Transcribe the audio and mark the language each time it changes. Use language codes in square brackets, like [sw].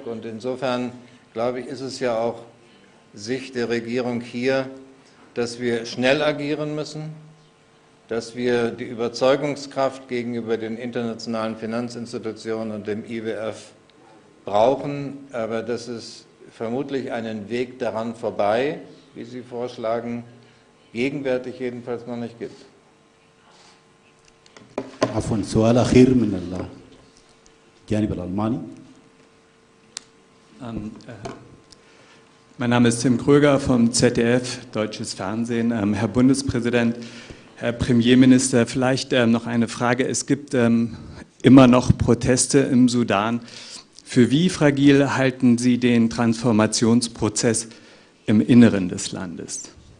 [de] Und insofern, glaube ich, ist es ja auch Sicht der Regierung hier, dass wir schnell agieren müssen, dass wir die Überzeugungskraft gegenüber den internationalen Finanzinstitutionen und dem IWF brauchen, aber dass es vermutlich einen Weg daran vorbei, wie Sie vorschlagen, gegenwärtig jedenfalls noch nicht gibt. [ar] Afwan, سؤال أخير من الجانب الألماني. [de] Mein Name ist Tim Kröger vom ZDF, deutsches Fernsehen. Herr Bundespräsident, Herr Premierminister, vielleicht noch eine Frage. Es gibt immer noch Proteste im Sudan. Für wie fragil halten Sie den Transformationsprozess im Inneren des Landes?